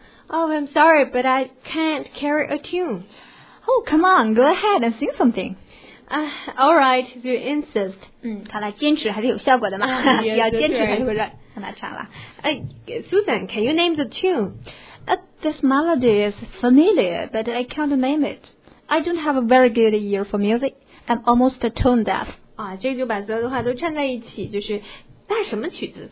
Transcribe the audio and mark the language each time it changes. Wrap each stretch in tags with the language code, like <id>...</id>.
<en>Oh， I'm sorry but I can't carry a tune Oh, come on, go ahead and sing something. All right, if you insist.</en> <zh>看来坚持还是有效果的嘛。</zh> <en>Yes,</en> <zh>要坚持还是不是很难唱了。</zh> <en>Susan, can you name the tune? This melody is familiar, but I can't name it. I don't have a very good ear for music. I'm almost tone deaf.</en> <zh>这个就把所有的话都串在一起，就是那什么曲子？</zh>